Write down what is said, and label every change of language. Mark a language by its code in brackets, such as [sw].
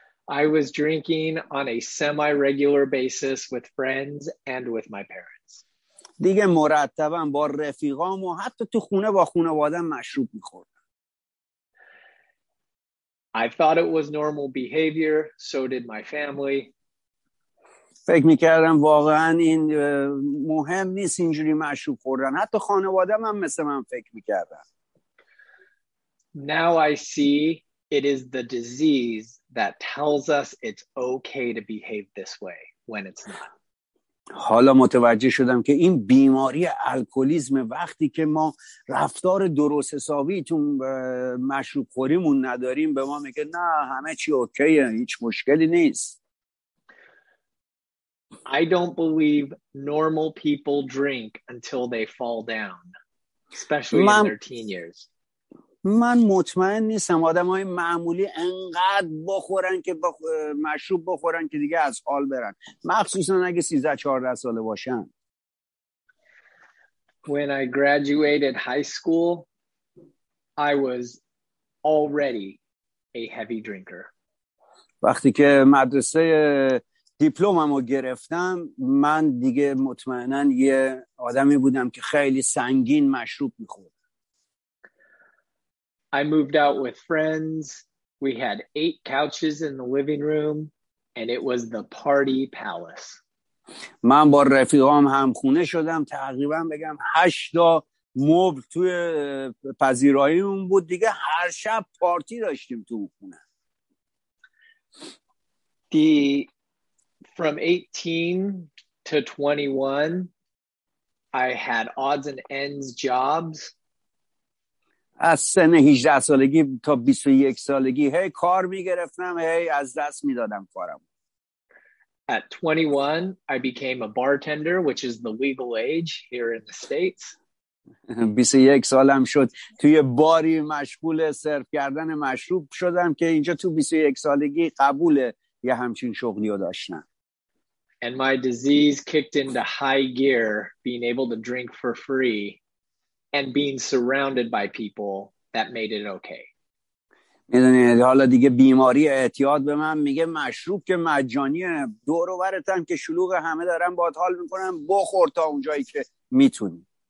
[en] I was drinking on a semi-regular basis with friends and with my parents. [fa] دیگه مرتبم با رفیقام و حتی تو خونه با خانواده‌ام مشروب می‌خوردم. [en] I thought it was normal behavior, so did my family. [fa] فکر می‌کردم واقعا این مهم نیست اینجوری مشروب خوردن، حتی خانواده‌ام هم مثل من فکر می‌کردن. [en] Now I see It is the disease that tells us it's okay to behave this way when it's not. [fa] حالا متوجه شدم که این بیماری الکلیسم وقتی که ما رفتار درست حسابی تو مشروب خوریمون نداریم به ما میگه نه همه چی اوکیه هیچ مشکلی نیست. [en] I don't believe normal people drink until they fall down, especially in their teen years. [fa] من مطمئن نیستم آدمای معمولی انقدر بخورن که مشروب بخورن که دیگه از حال برن، مخصوصا اگه 13 14 ساله باشن. [en] When I graduated high school, I was already a heavy drinker. [fa] وقتی که مدرسه دیپلممو گرفتم من دیگه مطمئنا یه آدمی بودم که خیلی سنگین مشروب می‌خورد. [en] I moved out with friends. We had 8 couches in the living room and it was the party palace. [fa] من با رفیقام هم خونه شدم، تقریبا بگم 8 تا مبل توی پذیراییمون بود، دیگه هر شب پارتی داشتیم تو خونه. [en] From 18 to 21 I had odds and ends jobs. [fa] از سن 18 سالگی تا 21 سالگی هی کار میگرفتم، هی از دست میدادم کارم. [en] At 21 I became a bartender, which is the legal age here in the States. [fa] 21 سالم شد توی باری مشغول سرو کردن مشروب شدم که اینجا تو 21 سالگی قبول یه همچین شغلی رو داشتم. [en] And my disease kicked into high gear, being able to drink for free and being surrounded by people that made it okay. [fa] میدونید حالا دیگه بیماری اعتیاد به من میگه مشروب که مجانیه، دور و برتم که شلوغ همه دارن باهات حال میکنن، بخور تا اونجایی که میتونی.